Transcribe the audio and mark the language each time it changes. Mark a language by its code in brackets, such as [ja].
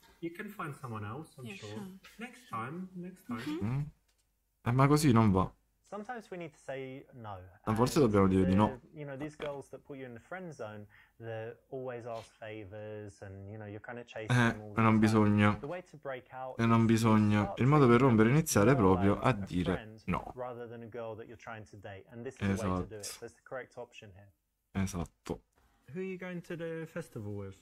[en] You can find someone else, I'm yeah, sure. Next time. [it] Mm-hmm. Ma così non va. [en] Sometimes we need to say no. [it] A volte dobbiamo dire di no. [en] You know, these girls that put you in the friend zone, they always ask favors and you know, you're kind of chasing them. [it] Non bisogna. Il modo per rompere e iniziare è proprio a dire no. [en] Rather than a girl that you're trying to date and this is the way to do it. That's the correct option here. [it] Esatto. [en] Who are you going to the festival with?